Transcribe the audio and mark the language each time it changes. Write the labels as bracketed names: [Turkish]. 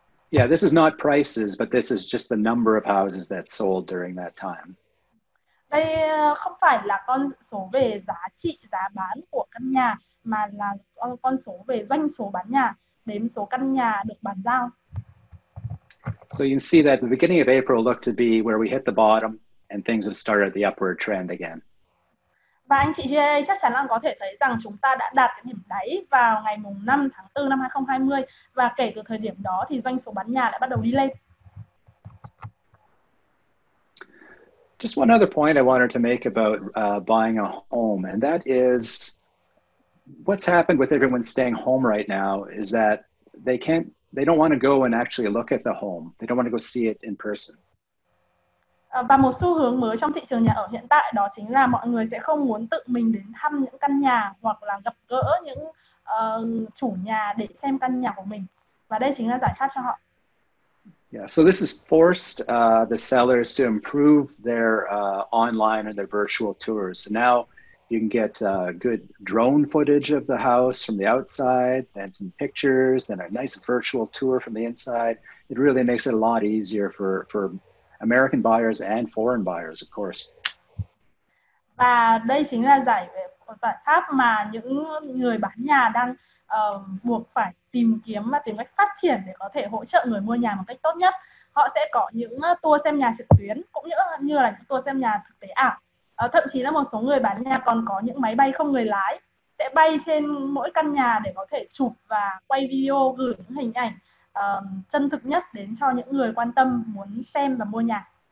[English] Yeah, this is not prices, but this is just the number of houses that sold during that time. [Vietnamese] Đây không phải là con số về giá trị giá bán của căn nhà, mà là con số về doanh số bán nhà, đếm số căn nhà được bán giao. [English] So you can see that the beginning of April looked to be where we hit the bottom and things have started the upward trend again. [Vietnamese] Và anh chị GA chắc chắn là có thể thấy rằng chúng ta đã đạt cái điểm đáy vào ngày mùng 5 tháng 4 năm 2020 và kể từ thời điểm đó thì doanh số bán nhà đã bắt đầu đi lên. [English] Just one other point I wanted to make about buying a home, and that is what's happened with everyone staying home right now is that they can't they don't want to go and actually look at the home. They don't want to go see it in person. [Vietnamese] Và một xu hướng mới trong thị trường nhà ở hiện tại đó chính là mọi người sẽ không muốn tự mình đến thăm những căn nhà hoặc là gặp gỡ những chủ nhà để xem căn nhà của mình. Và đây chính là giải pháp cho họ. [English] Yeah, so this has forced the sellers to improve their online or their virtual tours. So now you can get good drone footage of the house from the outside, then some pictures, then a nice virtual tour from the inside. It really makes it a lot easier for American buyers and foreign buyers, of course. [Vietnamese] Và đây chính là giải pháp mà những người bán nhà đang buộc phải tìm kiếm và tìm cách phát triển để có thể hỗ trợ người mua nhà một cách tốt nhất. Họ sẽ có những tour xem nhà trực tuyến cũng như là những tour xem nhà thực tế ảo. Thậm chí là một số người bán nhà còn có những máy bay không người lái sẽ bay trên mỗi căn nhà để có thể chụp và quay video gửi những hình ảnh chân thực nhất đến cho những người quan tâm muốn xem và mua nhà.